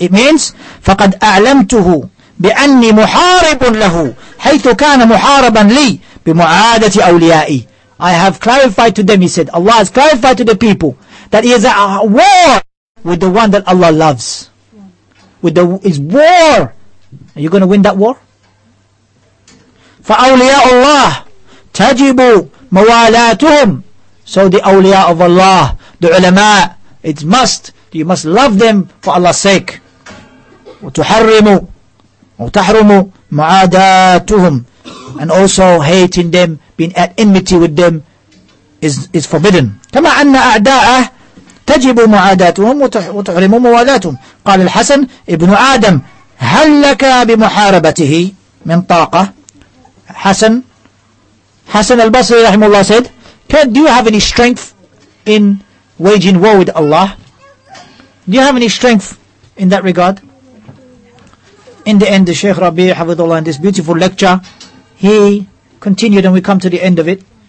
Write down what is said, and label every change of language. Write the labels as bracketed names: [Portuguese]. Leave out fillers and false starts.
[English] It means, [Arabic] فقد أعلمته بأني محارب له حيث كان محاربا لي بمعادة أوليائي. [English] I have clarified to them, he said, Allah has clarified to the people that he is at war with the one that Allah loves. With the is war. Are you going to win that war? [Arabic] فَأَوْلِيَاءُ اللَّهِ تَجِبُ مَوَالَاتُهُمْ. [English] So the awliya of Allah, the ulama, it must, you must love them for Allah's sake. [Arabic] وَتُحَرِّمُ وَتَحْرُمُ مُعَادَاتُهُمْ. [English] And also hating them, being at enmity with them, is forbidden. [Arabic] كَمَا أَنَّ أَعْدَاءَهُ تجب معاداتهم وتحرم موالاتهم. قال الحسن ابن آدم هل لك بمحاربته من طاقة. [English] حسن البصري رحمه الله said, do you have any strength in waging war with Allah? Do you have any strength in that regard? In the end, the Sheikh Rabi Hafidhullah, in this beautiful lecture, he continued, and we come to the end of it.